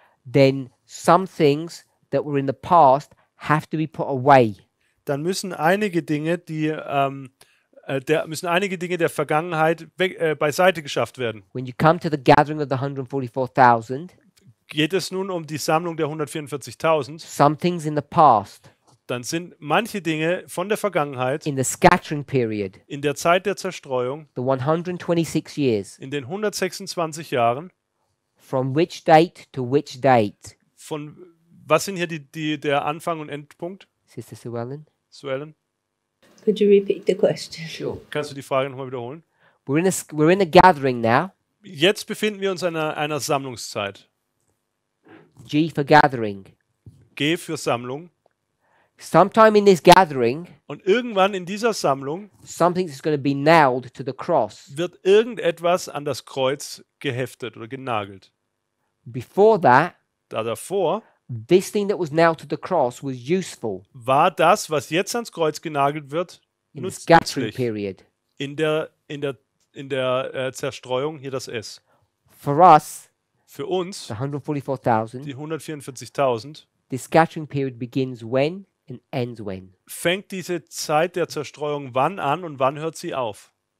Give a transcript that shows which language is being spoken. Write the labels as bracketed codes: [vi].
[en] Then some things that were in the past have to be put away. [de] Dann müssen einige Dinge, der Vergangenheit beiseite geschafft werden. [en] When you come to the gathering of the 144,000, [de] geht es nun um die Sammlung der 144,000. [en] Some things in the past. [de] Dann sind manche Dinge von der Vergangenheit. [en] In the scattering period. [de] In der Zeit der Zerstreuung. [en] The 126 years. [de] In den 126 Jahren. [en] From which date to which date? [de] Von was sind hier der Anfang und Endpunkt? [en] Sister Sue Ellen. Sue Ellen. Could you repeat the question? Sure. [de] Kannst du die Frage nochmal wiederholen? [en] We're in a gathering now. [de] Jetzt befinden wir uns in einer Sammlungszeit. [en] G for gathering. [de] G für Sammlung. [en] Sometime in this gathering. [de] Und irgendwann in dieser Sammlung. [en] Something is going to be nailed to the cross. [de] Wird irgendetwas an das Kreuz geheftet oder genagelt. [en] Before that. [de] Da davor. [en] This thing that was nailed to the cross was useful. [de] War das, was jetzt ans Kreuz genagelt wird, [en] in the scattering period. [de] In der Zerstreuung, hier das S. [en] For us, [de] für uns, [en] the 144,000, [de] die 144,000, [en] the scattering period begins when and ends when. [de] Fängt diese Zeit der Zerstreuung wann an und wann hört sie auf?